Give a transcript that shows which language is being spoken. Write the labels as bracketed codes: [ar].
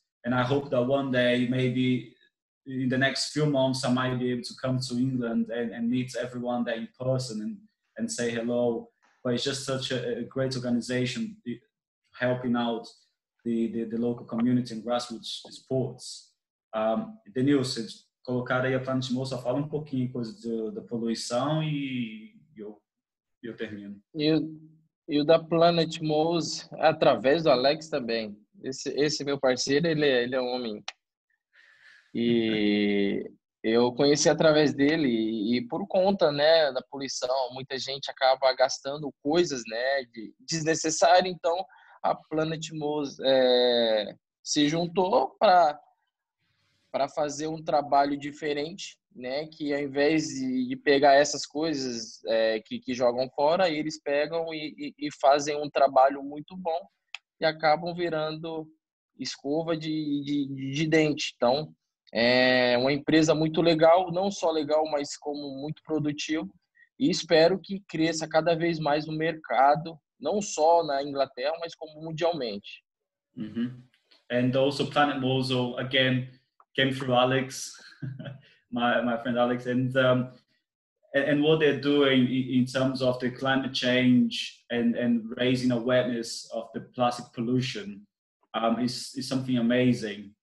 [en] And I hope that one day, maybe in the next few months, I might be able to come to England and meet everyone there in person and say hello. But it's just such a great organization helping out the local community and grassroots sports. [pt] Denilson, colocar aí a Planet Moso, fala um pouquinho coisa da poluição e E eu termino. E o da Planet Mose, através do Alex também. Esse meu parceiro, ele é um homem. E eu conheci através dele e por conta, né, da poluição, muita gente acaba gastando coisas, né, desnecessárias. Então, a Planet Mose se juntou para fazer um trabalho diferente, né, que ao invés de pegar essas coisas que jogam fora, eles pegam e fazem um trabalho muito bom e acabam virando escova de dente. Então, é uma empresa muito legal, não só legal, mas como muito produtivo, e espero que cresça cada vez mais no mercado, não só na Inglaterra, mas como mundialmente. Uhum. [en] And also Planet Moso, again, came through Alex, my friend Alex, and what they're doing in terms of the climate change and raising awareness of the plastic pollution is something amazing.